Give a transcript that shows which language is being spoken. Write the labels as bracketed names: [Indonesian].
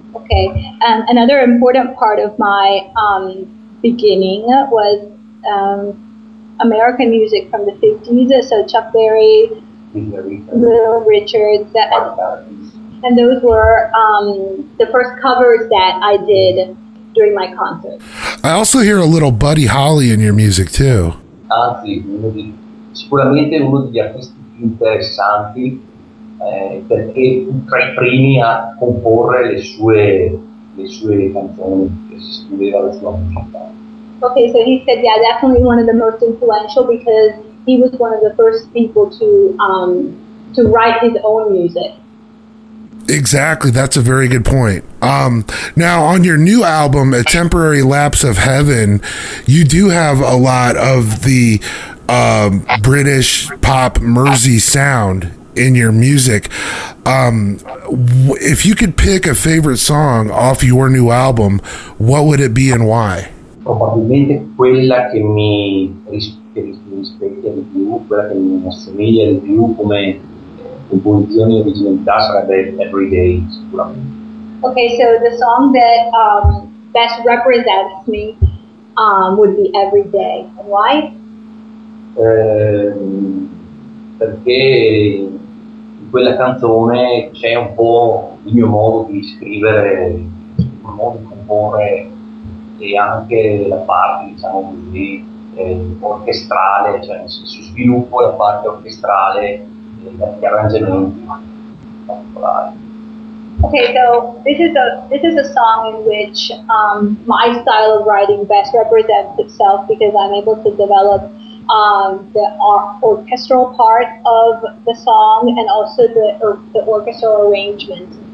[English] Okay, another important part of my beginning was American music from the 50s, so Chuck Berry, Little Richard, and those were the first covers that I did during my concert. I also hear a little Buddy Holly in your music too. [Italian] Anzi, sicuramente uno degli artisti interessanti perché tra i primi a comporre le sue canzoni che si scriveva la sua musica. [English] Okay, so he said, yeah, definitely one of the most influential because he was one of the first people to write his own music. Exactly, that's a very good point. Now, on your new album, A Temporary Lapse of Heaven, you do have a lot of the British pop Mersey sound in your music. If you could pick a favorite song off your new album, what would it be and why? [Italian] Probabilmente quella che mi rispecchia di più, quella che mi assomiglia di più come composizione originalità sarebbe Everyday, sicuramente. [English] Okay, so the song that best represents me would be Everyday. And why? [Italian] Perché in quella canzone c'è un po' il mio modo di scrivere, il modo di comporre e anche la parte, diciamo così, orchestrale, cioè nel senso sviluppo la parte orchestrale degli arrangiamenti particolari. [English] Okay, so this is a song in which my style of writing best represents itself because I'm able to develop the orchestral part of the song and also the orchestral arrangement.